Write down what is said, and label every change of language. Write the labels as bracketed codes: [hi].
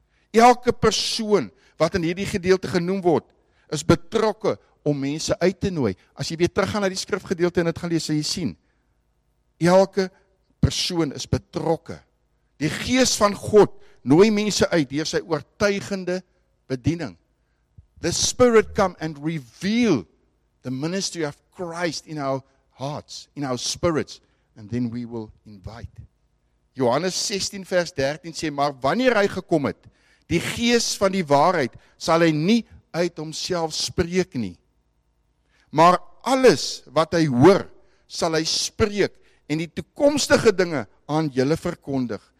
[af] Elke persoon wat in hierdie gedeelte genoem word, is betrokke om mense uit te nooi. As jy weer teruggaan na die skrifgedeelte en dit gaan lees, sal jy sien. Elke persoon is betrokke. Die Gees van God nooi mense uit deur sy oortuigende bediening. [en] The Spirit come and reveal the ministry of Christ in our hearts, in our spirits, and then we will invite. [af] Johannes 16 vers 13 sê, maar wanneer hy gekom het, die Gees van die waarheid, sal hy nie uit homself spreek nie. Maar alles wat hy hoor, sal hy spreek en die toekomstige dinge aan julle verkondig.